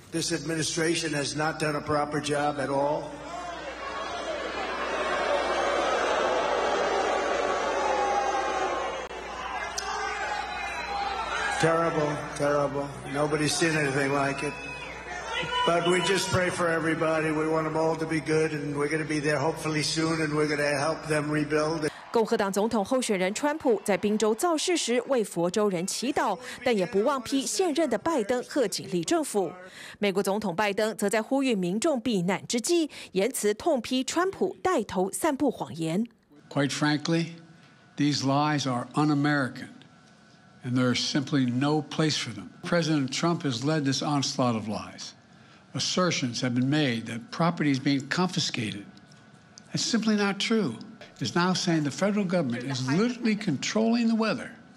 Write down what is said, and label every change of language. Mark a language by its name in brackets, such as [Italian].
[English] This administration has not done a proper job at all. Terrible, terrible. Nobody's seen anything like it. But we just pray for everybody. We want them all to be good, and we're going to be there hopefully soon, and we're going to help them rebuild. [Chinese] 共和党总统候选人川普在宾州造势时为佛州人祈祷，但也不忘批现任的拜登贺锦丽政府。美国总统拜登则在呼吁民众避难之际，言辞痛批川普带头散布谎言。 [English] Quite frankly, these lies are un-American. And there is simply no place for them. President Trump has led this onslaught of lies. Assertions have been made that property is being confiscated. That's simply not true. He's now saying the federal government is literally controlling the weather.